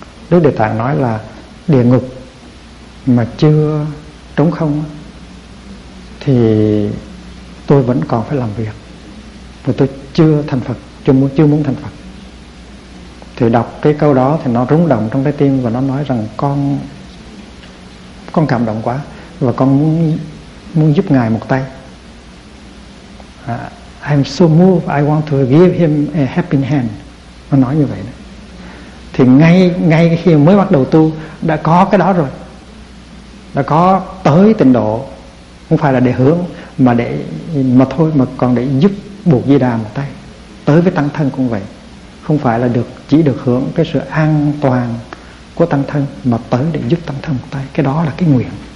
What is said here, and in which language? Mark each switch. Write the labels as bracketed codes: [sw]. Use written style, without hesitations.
[vi] Đức Địa Tạng nói là địa ngục mà chưa trống không thì tôi vẫn còn phải làm việc, vì tôi chưa thành Phật, chưa muốn thành Phật. Thì đọc cái câu đó thì nó rung động trong trái tim, và nó nói rằng con cảm động quá, và con muốn muốn giúp Ngài một tay. [en] I'm so moved, I want to give him a helping hand. [vi] Nó nói như vậy đó. Thì ngay khi mới bắt đầu tu đã có cái đó rồi, đã có tới tịnh độ, không phải là để hướng mà để mà thôi, mà còn để giúp Bụt Di Đà một tay. Tới với tăng thân cũng vậy, không phải là được chỉ được hưởng cái sự an toàn của tăng thân mà tới để giúp tăng thân một tay, cái đó là cái nguyện.